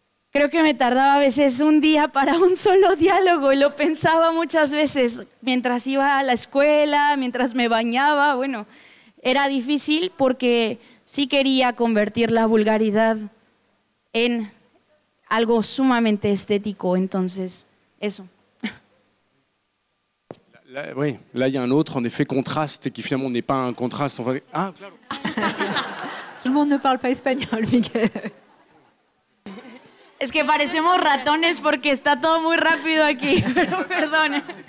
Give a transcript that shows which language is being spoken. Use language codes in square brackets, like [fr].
[es] Creo que me tardaba a veces un día para un solo diálogo y lo pensaba muchas veces mientras iba a la escuela, mientras me bañaba. Bueno, era difícil porque sí quería convertir la vulgaridad en algo sumamente estético. Entonces, eso. [fr] Oui, là il y a un autre en effet contraste qui finalement n'est pas un contraste. [es] Ah, claro. [fr] Tout le monde ne parle pas espagnol, Miguel. [es] Es que parecemos ratones porque está todo muy rápido aquí, pero perdone.